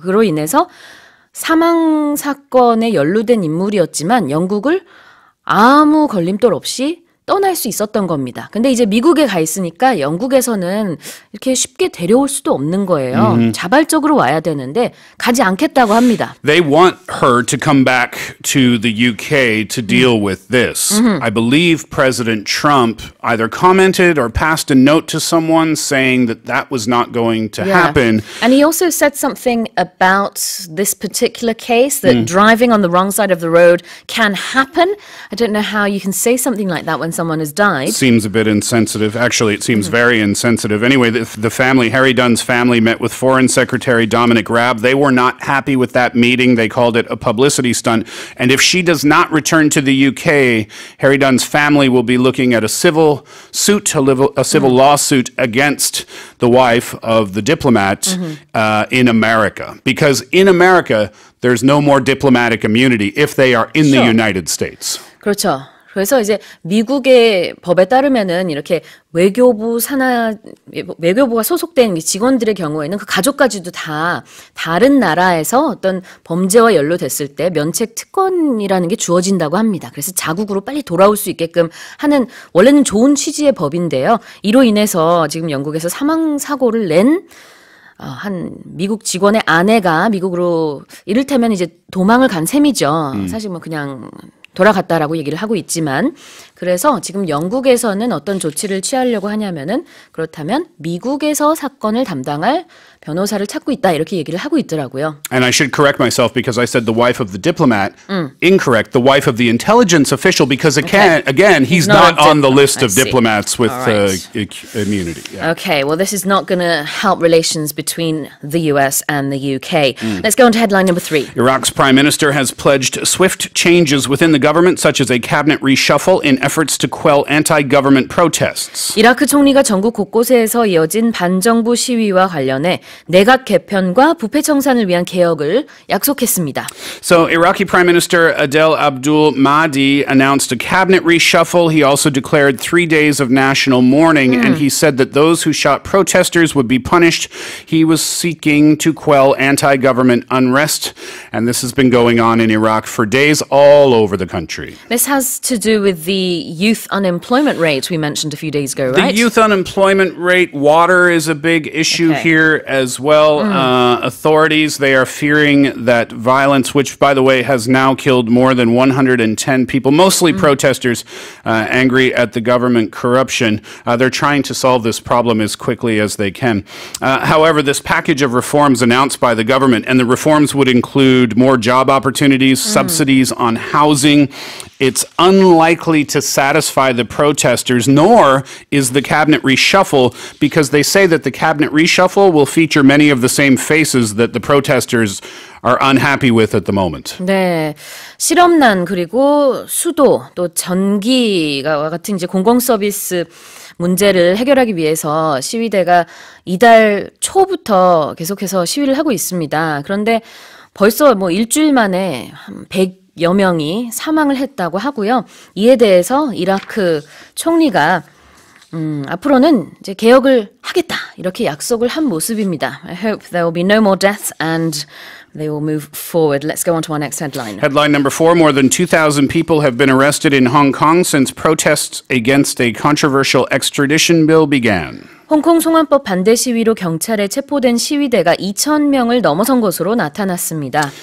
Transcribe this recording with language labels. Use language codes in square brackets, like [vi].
[ko] 그로 인해서 사망 사건에 연루된 인물이었지만 영국을 아무 걸림돌 없이 떠날 수 있었던 겁니다. 근데 이제 미국에 가 있으니까 영국에서는 이렇게 쉽게 데려올 수도 없는 거예요. 자발적으로 와야 되는데 가지 않겠다고 합니다. [en] They want her to come back to the UK to deal with this. I believe President Trump either commented or passed a note to someone saying that that was not going to happen. And he also said something about this particular case that driving on the wrong side of the road can happen. I don't know how you can say something like that when someone has died. Seems a bit insensitive. Actually, it seems very insensitive. Anyway, the family, Harry Dunn's family, met with Foreign Secretary Dominic Raab. They were not happy with that meeting. They called it a publicity stunt. And if she does not return to the UK, Harry Dunn's family will be looking at a civil suit, lawsuit against the wife of the diplomat in America. Because in America, there's no more diplomatic immunity if they are in the United States. [ko] 그렇죠. 그래서 이제 미국의 법에 따르면은 이렇게 외교부 산하 외교부가 소속된 직원들의 경우에는 그 가족까지도 다 다른 나라에서 어떤 범죄와 연루됐을 때 면책 특권이라는 게 주어진다고 합니다. 그래서 자국으로 빨리 돌아올 수 있게끔 하는 원래는 좋은 취지의 법인데요. 이로 인해서 지금 영국에서 사망 사고를 낸 한 미국 직원의 아내가 미국으로 이를테면 이제 도망을 간 셈이죠. 사실 뭐 그냥 돌아갔다라고 얘기를 하고 있지만 그래서 지금 영국에서는 어떤 조치를 취하려고 하냐면은 그렇다면 미국에서 사건을 담당할 변호사를 찾고 있다 이렇게 얘기를 하고 있더라고요. [en] And I should correct myself because I said the wife of the diplomat. Incorrect. The wife of the intelligence official because again he's not on the list of diplomats with immunity. Yeah. Okay, well this is not going to help relations between the US and the UK. Let's go on to headline number 3. Iraq's prime minister has pledged swift changes within the government such as a cabinet reshuffle in efforts to quell anti-government protests. [ko] 이라크 총리가 전국 곳곳에서 이어진 반정부 시위와 관련해 내각 개편과 부패 청산을 위한 개혁을 약속했습니다. [en] So Iraqi Prime Minister Adel Abdul Mahdi announced a cabinet reshuffle. He also declared 3 days of national mourning and he said that those who shot protesters would be punished. He was seeking to quell anti-government unrest and this has been going on in Iraq for days all over the country. This has to do with the youth unemployment rate we mentioned a few days ago, right? The youth unemployment rate, water is a big issue here as well. Authorities, they are fearing that violence, which by the way has now killed more than 110 people, mostly protesters, angry at the government corruption. They're trying to solve this problem as quickly as they can. However, this package of reforms announced by the government, and the reforms would include more job opportunities, subsidies on housing, it's unlikely to satisfy the protesters, nor is the cabinet reshuffle, because they say that the cabinet reshuffle will feature many of the same faces that the protesters are unhappy with at the moment. [ko] 네, 실업난 그리고 수도 또 전기가 같은 이제 공공 서비스 문제를 해결하기 위해서 시위대가 이달 초부터 계속해서 시위를 하고 있습니다. 그런데 벌써 뭐 일주일 만에 한 100여 명이 사망을 했다고 하고요. 이에 대해서 이라크 총리가 앞으로는 이제 개혁을 하겠다 이렇게 약속을 한 모습입니다. [en] I hope there will be no more deaths and they will move forward. Let's go on to our next headline. Headline number 4. More than 2,000 people have been arrested in Hong Kong since protests against a controversial extradition bill began. [ko] 홍콩 송환법 반대 시위로 경찰에 체포된 시위대가 2천 명을 넘어선 것으로 나타났습니다.